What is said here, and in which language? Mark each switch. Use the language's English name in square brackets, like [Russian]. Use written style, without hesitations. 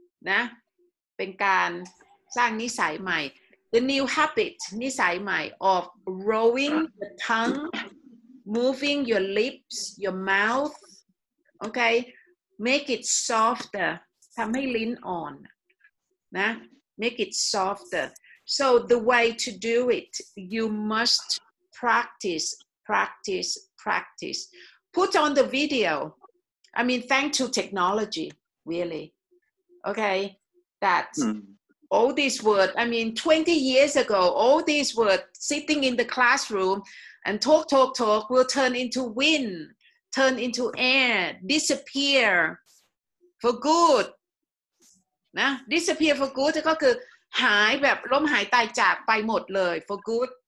[English] นะ [Thai] เป็นการสร้างนิสัยใหม่ [English] The new habit, นิสัยใหม่ of rolling the tongue, moving your lips, your mouth. Okay? Make it softer. [Thai] ทำให้ลิ้นอ่อน นะ [English] Make it softer. So the way to do it, you mustPractice. Put on the video. I mean, thanks to technology, really. Okay, that's all these words. I mean, 20 years ago, all these words sitting in the classroom and talk will turn into wind, turn into air, disappear for good. Nah, disappear for good. [Thai] ก็คือหายแบบล้มหายตายจากไปหมดเลย [English] for good.